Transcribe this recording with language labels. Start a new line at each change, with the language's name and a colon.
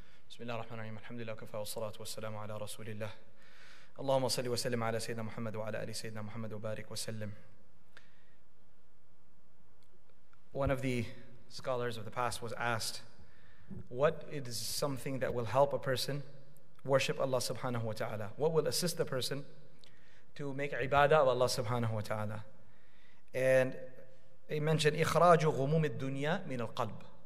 Arabic: بسم الله الرحمن الرحيم الحمد لله وكفى والصلاة والسلام على رسول الله اللهم صل وسلم على سيدنا محمد وعلى آل سيدنا محمد وبارك وسلم.
English: One of the scholars of the past was asked, what is something that will help a person worship Allah subhanahu wa ta'ala? What will assist the person to make ibadah of Allah subhanahu wa ta'ala? And he mentioned
Arabic: إخراج غموم الدنيا من القلب.